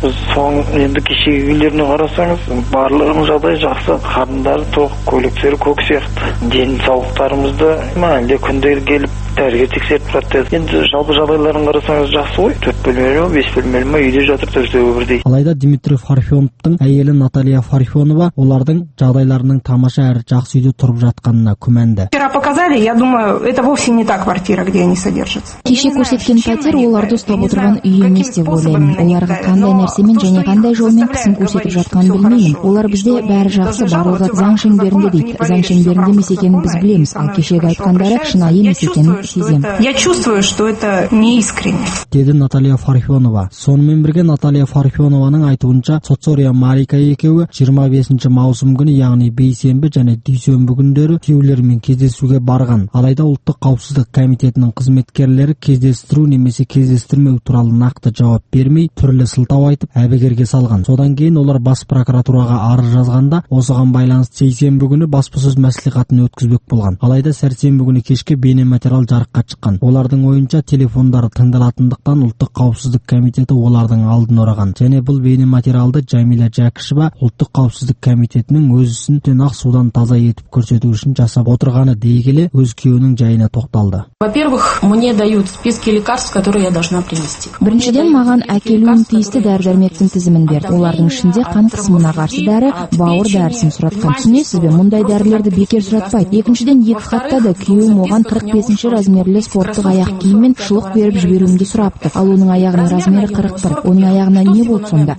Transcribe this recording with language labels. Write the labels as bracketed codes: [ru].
[kk] Біз соң енді кешегі күндеріне қарасаңыз, барлығының жағдай жақсы, қарындары тоқ, көйлектері көк сияқты, денсаулықтарымызды әлде күндері келіп дәрігер тексеріп тұрады. Енді жалпы жағдайларын қарасаңыз жақсы ғой. 4 бөлмелі ме, 5 бөлмелі ме, үйде жатып төртеуі бірдей. Алайда Дмитрий Фарфеновтың әйелі Наталья Фарфенова олардың жағдайларының тамаша әрі жақсы үйде тұрып жатқанына күмәнді. [ru] Вчера показали, я думаю, это вовсе не та квартира, где они содержатся. [kk] Кеше көрсеткен пәтер оларды ұстап отырған үй емес деп ойлаймын. Оларға қандай нәрсемен және қандай жолмен қысым көрсетіп жатқанын білмеймін. Олар бізде бәрі жақсы, барлығы заң шеңберінде дейді. Заң шеңберінде емес екенін біз білеміз, ал кешегі айтқандары шынайы емес екенін. [ru] Я чувствую, что это не искренне. [kk] Деді Наталья Фархионова. Сонымен бірге Наталья Фархионованың айтуынша, Соцория Марика екеуі 25 маусым күні, яғни бейсенбі және дүйсенбі күндері күйеулерімен кездесуге барған. Алайда ұлттық қауіпсіздік комитетінің қызметкерлері кездестіру немесе кездестірмеу туралы нақты жауап бермей, түрлі сылтау айтып, әбігерге салған. Содан кейін олар бас прокуратураға арыз жазғанда, осыған байланысты сейсенбі күні баспасөз мәслихатын өткізбек болған. Алайда сәрсенбі күні кешке бейнематериал жарыққа шыққан. Олардың ойынша телефондары тыңдалатындықтан ұлттық қауіпсіздік комитеті олардың алдын ораған. Және бұл бейнематериалды Жәмила Жәкішева ұлттық қауіпсіздік комитетінің өз ісін тынық судан таза етіп көрсету үшін жасап отырғаны дегеле өз күйеуінің жайына тоқталды. [ru] Во-первых, мне дают списки лекарств, которые я должна принести. [kk] Біріншіден маған әкелуім тиісті дәрі-дәрмектің тізімін берді. Олардың ішінде қан қысымына қарсы дәрі, бауыр дәрісін сұратқан. Түсінесіз бе, мұндай дәрілерді бекер сұратпайды. Екіншіден екі хатта да күйеуім оған 45-ші размерлі спорттық аяқ киім мен шұлық беріп жіберуімді сұрапты. Ал оның аяғының размері 41. Оның аяғына не болды сонда?